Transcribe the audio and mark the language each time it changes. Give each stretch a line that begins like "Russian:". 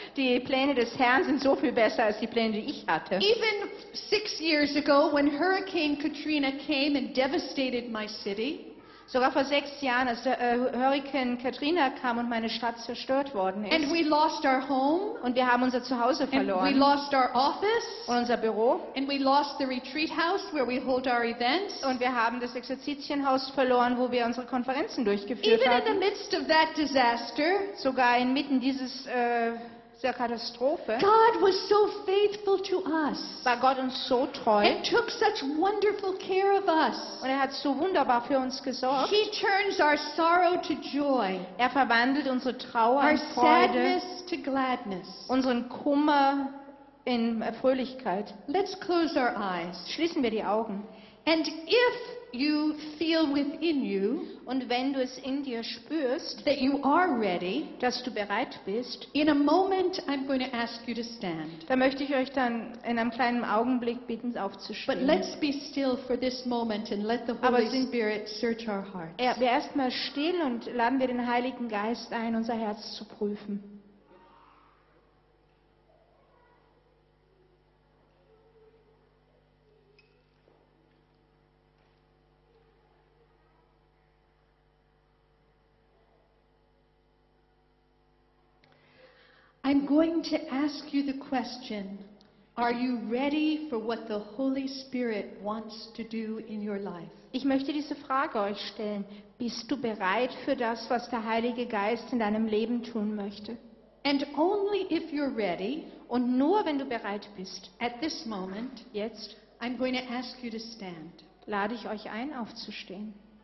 German: Die Pläne des Herrn sind so viel besser als die Pläne, die ich hatte.
English: Even 6 years ago, when Hurricane Katrina came and devastated my city,
German: sogar vor 6 Jahren, als Hurricane Katrina kam und meine Stadt zerstört worden ist,
English: and we lost our home,
German: und wir haben unser Zuhause verloren,
English: and we lost our office,
German: und unser Büro,
English: and we lost the retreat house where we hold our events,
German: und wir haben das Exerzitienhaus verloren, wo wir unsere Konferenzen durchgeführt
English: even
German: haben.
English: In the midst of that disaster,
German: sogar inmitten dieses der Katastrophe,
English: God was so faithful to us,
German: war Gott uns so treu,
English: and took such wonderful care of us,
German: und er hat so wunderbar für uns gesorgt.
English: He turns our sorrow to joy,
German: er verwandelt unsere Trauer
English: our
German: in Freude,
English: sadness to gladness,
German: unseren Kummer in Fröhlichkeit.
English: Let's close our eyes.
German: Schließen wir die Augen.
English: And if you feel within you,
German: und wenn du es in dir spürst,
English: that you are ready,
German: dass du bereit bist,
English: in a moment I'm going to ask you to stand.
German: Da möchte ich euch dann in einem kleinen Augenblick bitten, aufzustehen.
English: But let's be still for this moment and let the Holy Spirit search our hearts.
German: Aber wir erstmal still und laden wir den Heiligen Geist ein, unser Herz zu prüfen.
English: I'm going to ask you the question, are you ready for what the Holy Spirit wants to do in your life?
German: Ich möchte diese Frage euch stellen. Bist du bereit für das, was der Heilige Geist in deinem Leben tun möchte?
English: And only if you're ready,
German: und nur wenn du bereit bist,
English: at this moment,
German: jetzt,
English: I'm going to ask you to stand.
German: Lade ich euch ein, aufzustehen.